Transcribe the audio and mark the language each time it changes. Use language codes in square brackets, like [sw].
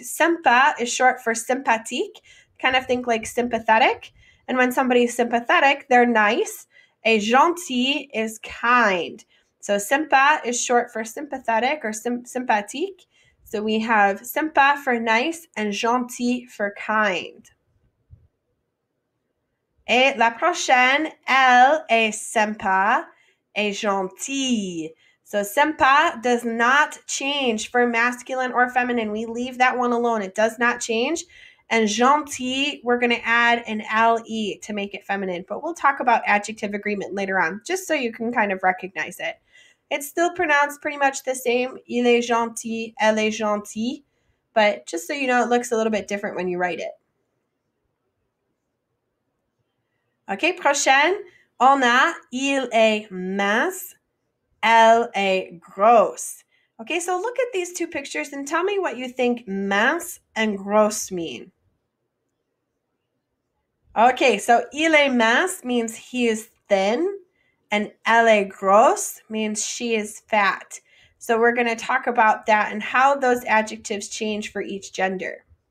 [en] Sympa is short for sympathique. Kind of think like sympathetic. And when somebody's sympathetic, they're nice. Et gentil is kind. So sympa is short for sympathetic or sympathique. So we have sympa for nice and gentil for kind. [fr] Et la prochaine, elle est sympa et gentille. [en] So sympa does not change for masculine or feminine. We leave that one alone. It does not change. And gentille, we're going to add an L-E to make it feminine. But we'll talk about adjective agreement later on, just so you can kind of recognize it. It's still pronounced pretty much the same. [fr] Il est gentil, elle est gentille. [en] But just so you know, it looks a little bit different when you write it. Okay, prochaine. [fr] On a, il est mince, elle est grosse. [en] Okay, so look at these two pictures and tell me what you think mince and grosse mean. Okay, so [fr] il est mince [en] means he is thin, and [fr] elle est grosse [en] means she is fat. So we're going to talk about that and how those adjectives change for each gender.